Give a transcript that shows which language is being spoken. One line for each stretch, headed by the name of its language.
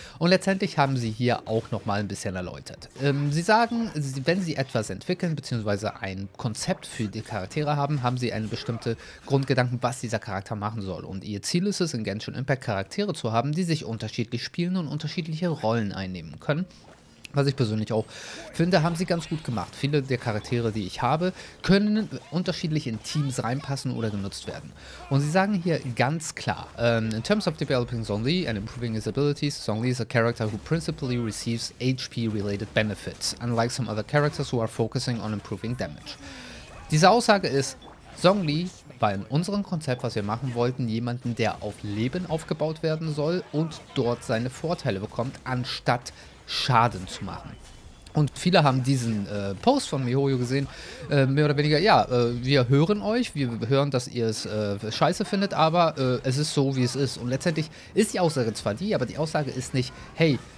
German: Und letztendlich haben sie hier auch nochmal ein bisschen erläutert. Sie sagen, wenn sie etwas entwickeln, beziehungsweise ein Konzept für die Charaktere haben, haben sie einen bestimmten Grundgedanken, was dieser Charakter machen soll. Und ihr Ziel ist es, in Genshin Impact Charaktere zu haben, die sich unterschiedlich spielen und unterschiedliche Rollen einnehmen können. Was ich persönlich auch finde, haben sie ganz gut gemacht. Viele der Charaktere, die ich habe, können unterschiedlich in Teams reinpassen oder genutzt werden. Und sie sagen hier ganz klar,
English: in terms of developing Songli and improving his abilities, Songli is a character who principally receives HP-related benefits, unlike some other characters who are focusing on improving damage.
German: Diese Aussage ist, Songli war in unserem Konzept, was wir machen wollten, jemanden, der auf Leben aufgebaut werden soll und dort seine Vorteile bekommt, anstatt Schaden zu machen. Und viele haben diesen Post von miHoYo gesehen, mehr oder weniger, ja, wir hören euch, wir hören, dass ihr es scheiße findet, aber es ist so, wie es ist. Und letztendlich ist die Aussage zwar die, aber die Aussage ist nicht, hey,